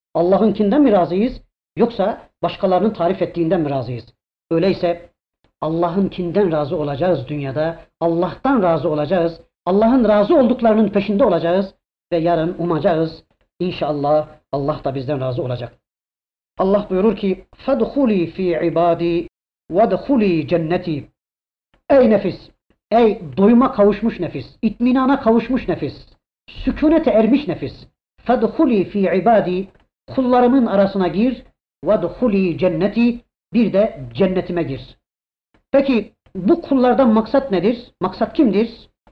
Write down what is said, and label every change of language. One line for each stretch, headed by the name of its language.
Turkish: Allah'ınkinden mi razıyız yoksa başkalarının tarif ettiğinden mi razıyız? Öyleyse Allah'ınkinden razı olacağız dünyada, Allah'tan razı olacağız, Allah'ın razı olduklarının peşinde olacağız ve yarın umacağız. İnşallah Allah da bizden razı olacak. Allah buyurur ki,
Arabic: فَدْخُلِي فِي عِبَادِي وَدْخُلِي جَنَّتِي.
Turkish: Ey nefis, ey doyuma kavuşmuş nefis, itminana kavuşmuş nefis, sükunete ermiş nefis,
Arabic: فَدْخُلِي فِي عِبَادِي,
Turkish: kullarımın arasına gir,
Arabic: وَدْخُلِي جَنَّتِي,
Turkish: bir de cennetime gir. Peki bu kullardan maksat nedir? Maksat kimdir?